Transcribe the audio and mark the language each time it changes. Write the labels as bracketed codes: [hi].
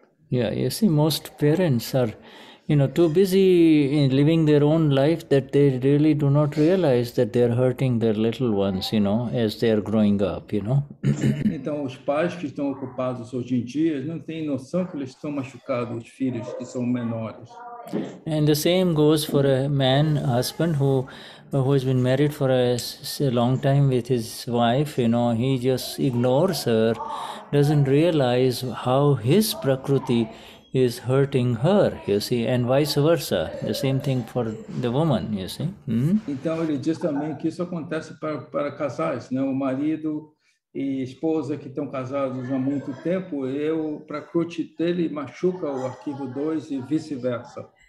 [en] Yeah, you see, most parents are, you know, too busy in living their own life that they really do not realize that they're hurting their little ones, you know, as they're growing up, you know. [pt] Então, os pais que estão ocupados hoje em dia não têm noção que eles estão machucando os filhos que são menores. [en] And the same goes for a man, a husband, who has been married for a long time with his wife, you know, he just ignores her, doesn't realize how his prakriti is hurting her, you see, and vice versa. The same thing for the woman, you see. [pt] Então ele diz também que isso acontece para casais, né? O marido e esposa que estão casados há muito tempo, eu para curtir dele machuca o arquivo 2 e vice-versa.